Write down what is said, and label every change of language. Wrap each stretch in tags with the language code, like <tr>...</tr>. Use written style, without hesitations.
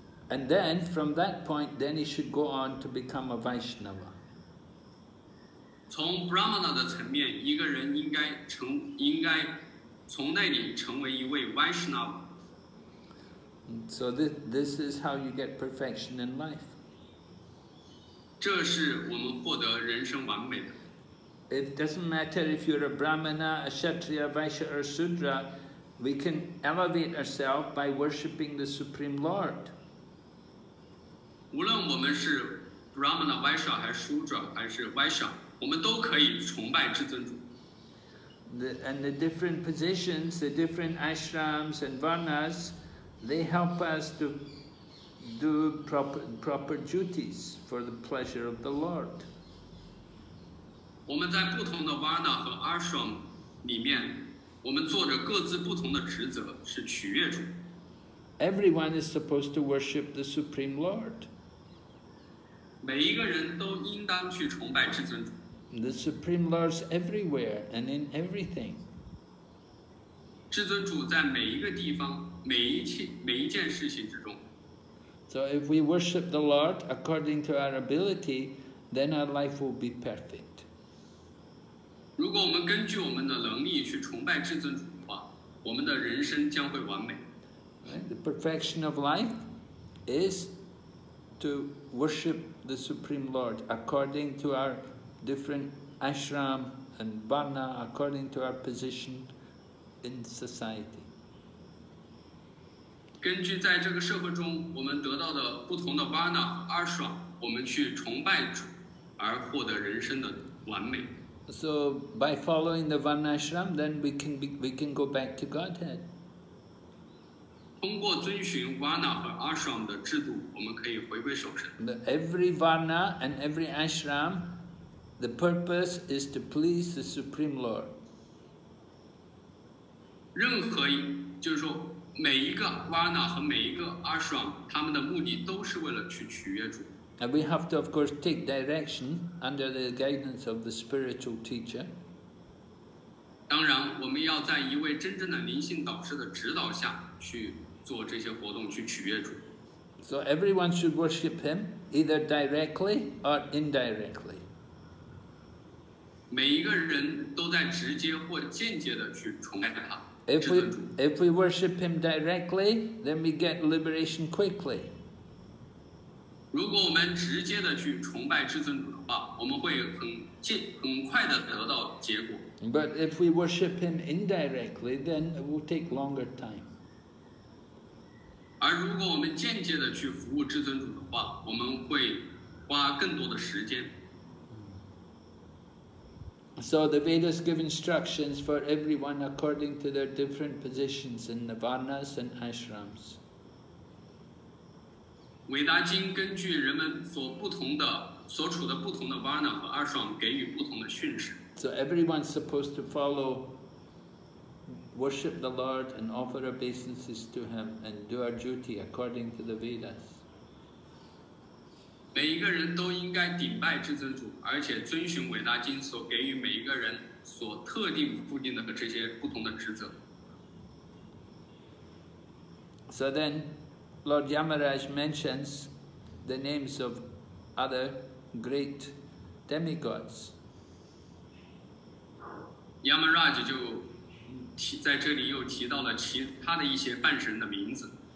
<en>And then from that point, then he should go on to become a Vaishnava.</en> <zh>从 brahmana 的层面，一个人应该从那里成为一位 Vaishnava.</zh> <en>So this is how you get perfection in life.</en> <zh>这是我们获得人生完美的。</zh> <en>It doesn't matter if you're a Brahmana, a Kshatriya, Vaishya, or Sudra, we can elevate ourselves by worshipping the Supreme Lord.</en> <zh>无论我们是 Brahmana, Vaishya, 还是 Sudra, 还是 Vaishya, 我们都可以崇拜至尊主。</zh> <en>And the different positions, the different ashrams and varnas, they help us to do proper duties for the pleasure of the Lord.</en> <zh>我们在不同的 Varna 和 Ashram 里面，我们做着各自不同的职责，是取悦主。</zh> <en>Everyone is supposed to worship the Supreme Lord.</en> <zh>每一个人都应当去崇拜至尊主。</zh> <en>The Supreme Lord is everywhere and in everything.</en> <zh>至尊主在每一个地方，每一件事情之中。</zh> <en>So if we worship the Lord according to our ability, then our life will be perfect.</en> <zh>如果我们根据我们的能力去崇拜至尊主的话，我们的人生将会完美。</zh> <en>The perfection of life is to worship the Supreme Lord according to our different ashram and varna, according to our position in society.</en> <zh>根据在这个社会中我们得到的不同的 varna, ashram, 我们去崇拜主而获得人生的完美。</zh> <en>So by following the varna ashram, then we can go back to Godhead.</en> <zh>通过遵循 Varna 和 Ashram 的制度，我们可以回归守神。</zh> <en>Every Varna and every Ashram, the purpose is to please the Supreme Lord.</en> <zh>任何，就是说每一个 Varna 和每一个 Ashram, 他们的目的都是为了去取悦主。</zh> <en>And we have to, of course, take direction under the guidance of the spiritual teacher.</en> <zh>当然我们要在一位真正的灵性导师的指导下去做这些活动，去取悦主。</zh> <en>So everyone should worship him either directly or indirectly.</en> <zh>每一个人都在直接或间接的去崇拜他。</zh> <en>If we worship him directly, then we get liberation quickly.</en> <zh>如果我们直接的去崇拜至尊主的话，我们会很快的得到结果。</zh> <en>But if we worship him indirectly, then it will take longer time.</en> <zh>而如果我们间接的去服务至尊主的话，我们会花更多的时间。</zh> <en>So the Vedas give instructions for everyone according to their different positions in the varnas and ashrams.</en> <zh>维达经根据人们所处的不同的 varna 和 ashram 给予不同的训示。</zh> <en>So everyone's supposed to follow, worship the Lord and offer obeisances to Him and do our duty according to the Vedas.</en> <zh>每一个人都应该顶拜至尊主，而且遵循伟大经所给予每一个人所特定固定的这些不同的职责。</zh> <en>So then, Lord Yamaraj mentions the names of other great demigods.</en> <zh>Yamaraj 就在这里又提到了其他的一些半神的名字。</zh>